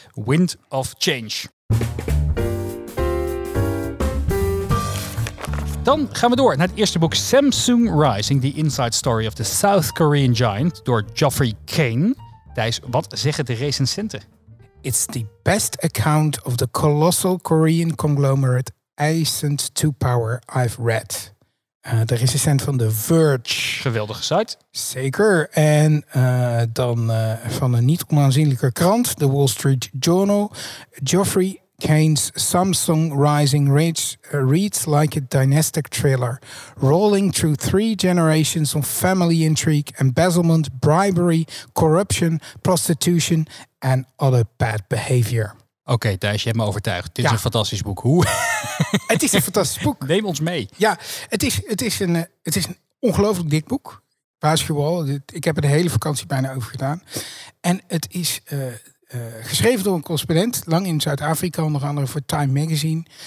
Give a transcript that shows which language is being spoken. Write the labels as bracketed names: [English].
[English] Wind of Change. [Dutch] Dan gaan we door naar het eerste boek Samsung Rising, The Inside Story of the South Korean Giant, door Geoffrey Kane. Thijs, wat zeggen de recensenten? [English] It's the best account of the colossal Korean conglomerate ascent to power I've read. [Dutch] De recensent van The Verge. Geweldige site. Zeker. En van een niet onaanzienlijke krant, The Wall Street Journal. [English] Geoffrey Kane's Samsung Rising reads like a dynastic thriller. Rolling through three generations of family intrigue, embezzlement, bribery, corruption, prostitution and other bad behavior. [Dutch] Oké, Thijs, je hebt me overtuigd. Dit is een fantastisch boek. Hoe? Het is een fantastisch boek. Neem ons mee. Ja, het is een ongelooflijk dik boek. Waarschuw al. Ik heb er de hele vakantie bijna over gedaan. En het is geschreven door een correspondent, lang in Zuid-Afrika, onder andere voor Time Magazine.